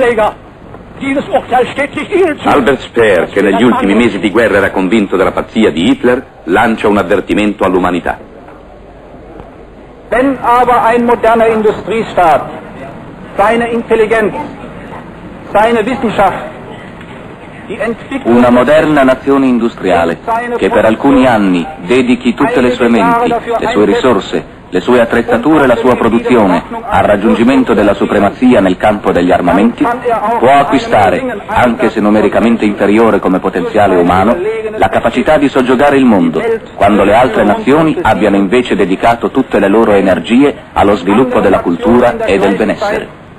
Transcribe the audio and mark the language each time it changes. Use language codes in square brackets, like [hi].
[it] Albert Speer, che negli ultimi mesi di guerra era convinto della pazzia di Hitler, lancia un avvertimento all'umanità. [de] Wenn aber ein moderner Industriestaat seine Intelligenz, seine Wissenschaft, [it] una moderna nazione industriale che per alcuni anni dedichi tutte le sue menti, le sue risorse, le sue attrezzature e la sua produzione al raggiungimento della supremazia nel campo degli armamenti, può acquistare, anche se numericamente inferiore come potenziale umano, la capacità di soggiogare il mondo, quando le altre nazioni abbiano invece dedicato tutte le loro energie allo sviluppo della cultura e del benessere.